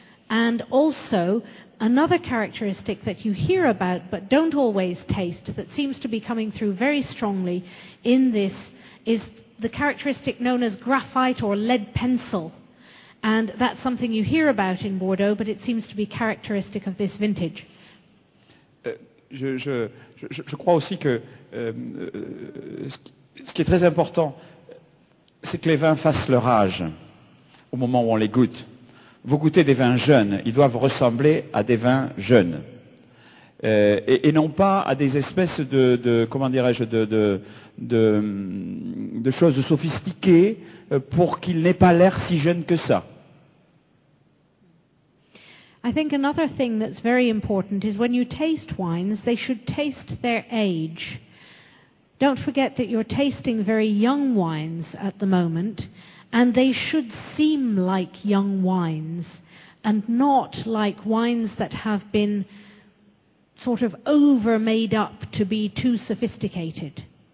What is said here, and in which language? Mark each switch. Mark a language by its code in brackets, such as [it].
[en] And also, another characteristic that you hear about but don't always taste that seems to be coming through very strongly in this is the characteristic known as graphite or lead pencil. And that's something you hear about in Bordeaux, but it seems to be characteristic of this vintage. [fr] Je crois aussi que ce qui est très important, c'est que les vins fassent leur âge au moment où on les goûte. Vous goûtez des vins jeunes, ils doivent ressembler à des vins jeunes. Et non pas à des espèces de choses sophistiquées pour qu'ils n'aient pas l'air si jeunes que ça. [en] I think another thing that's very important is when you taste wines, they should taste their age. Don't forget that you're tasting very young wines at the moment. And they should seem like young wines and not like wines that have been sort of over made up to be too sophisticated.